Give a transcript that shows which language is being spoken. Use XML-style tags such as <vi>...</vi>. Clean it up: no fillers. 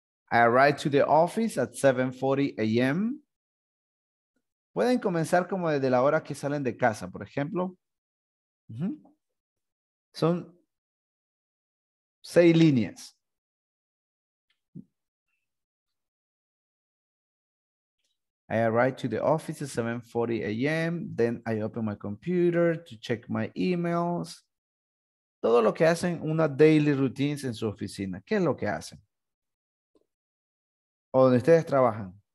<en>I arrive to the office at 7:40 a.m.</en> <es>Pueden comenzar como desde la hora que salen de casa, por ejemplo. Uh-huh. Son 6 líneas.</es> <en>I arrive to the office at 7:40 a.m. Then I open my computer to check my emails.</en> <es>Todo lo que hacen una</es> <en>daily routines</en> <es>en su oficina. ¿Qué es lo que hacen? ¿O donde ustedes trabajan?</es>